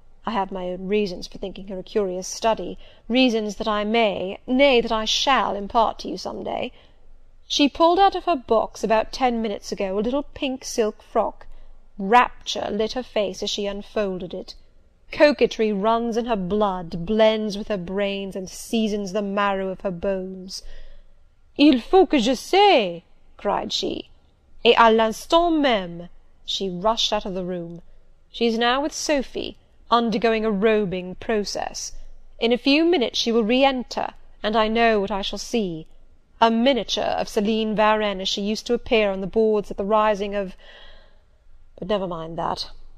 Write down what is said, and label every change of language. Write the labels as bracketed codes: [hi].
[en] I have my own reasons for thinking her a curious study, reasons that I may, nay, that I shall, impart to you some day. She pulled out of her box about 10 minutes ago a little pink silk frock. Rapture lit her face as she unfolded it. Coquetry runs in her blood, blends with her brains, and seasons the marrow of her bones. [fr] 'Il faut que je sais,' [en] cried she. [fr] 'Et à l'instant même,' [en] she rushed out of the room. She is now with Sophie, undergoing a robing process. In a few minutes she will re-enter, and I know what I shall see. A miniature of Celine Varenne as she used to appear on the boards at the rising of— but never mind that.